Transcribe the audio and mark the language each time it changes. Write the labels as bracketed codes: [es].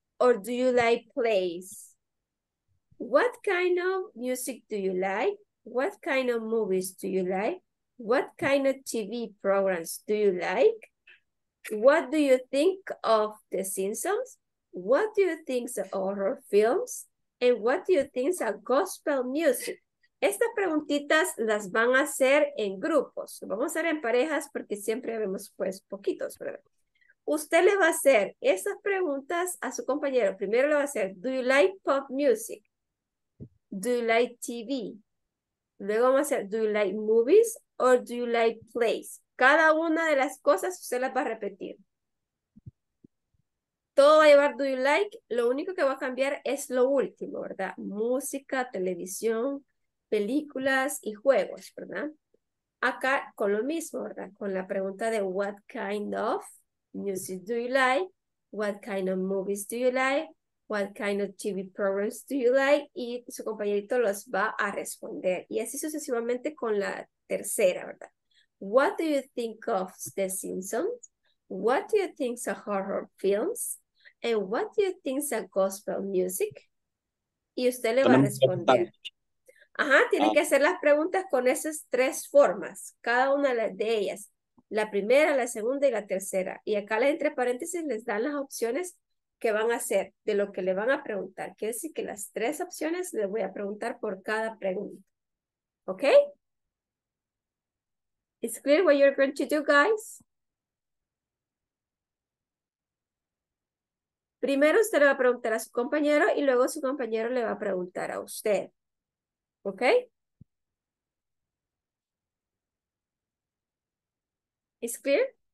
[en] Or do you like plays? What kind of music do you like? What kind of movies do you like? What kind of TV programs do you like? What do you think of The Simpsons? What do you think of horror films? And what do you think of gospel music? [es] Estas preguntitas las van a hacer en grupos. Vamos a hacer en parejas porque siempre vemos pues poquitos, ¿verdad? Usted le va a hacer esas preguntas a su compañero. Primero le va a hacer, [en] do you like pop music? Do you like TV? [es] Luego vamos a hacer, [en] do you like movies? Or do you like plays? [es] Cada una de las cosas usted las va a repetir. Todo va a llevar [en] do you like, [es] lo único que va a cambiar es lo último, ¿verdad? Música, televisión, películas y juegos, ¿verdad? Acá con lo mismo, ¿verdad? Con la pregunta de [en] what kind of music do you like, what kind of movies do you like, what kind of TV programs do you like, [es] y su compañerito los va a responder. Y así sucesivamente con la tercera, ¿verdad? [en] What do you think of The Simpsons? What do you think of horror films? And what do you think of gospel music? [es] Y usted le va a responder. Ajá, tiene que hacer las preguntas con esas tres formas, cada una de ellas. La primera, la segunda y la tercera. Y acá entre paréntesis les dan las opciones que van a hacer de lo que le van a preguntar. Quiere decir que las tres opciones les voy a preguntar por cada pregunta. ¿Ok? [en] It's clear what you're going to do, guys? [es] Primero usted le va a preguntar a su compañero y luego su compañero le va a preguntar a usted. ¿Ok? ¿Es clear?